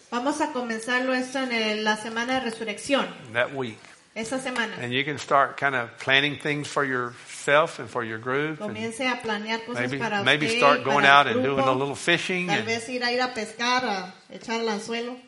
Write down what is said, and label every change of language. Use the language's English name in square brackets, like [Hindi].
[Spanish] Vamos a comenzarlo esto en la semana de resurrección. [English] That week. [Spanish] Esa semana. [English] And you can start kind of planning things for yourself and for your group. [Spanish] Comience a planear cosas [English] maybe, [Spanish] para usted. [English] Maybe start going [Spanish] para [English] out and doing a little fishing. [Spanish] Tal vez ir a pescar, a echar el anzuelo.